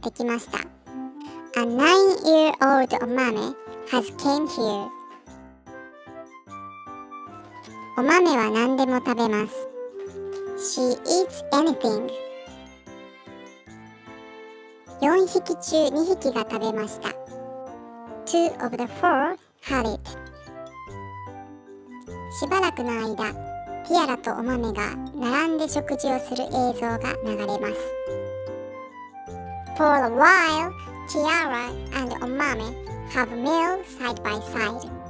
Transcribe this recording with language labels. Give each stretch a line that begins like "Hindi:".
English: A 9-year-old omame has came here.
Japanese: Omame は何でも食べます。
English: She eats anything.
Japanese: 4匹中2匹が食べました。
English: Two of the four had it.
Japanese: しばらくの間、ティアラとオマメが並んで食事をする映像が流れます。
English: For a while, Kiara and Omame have meal side by side.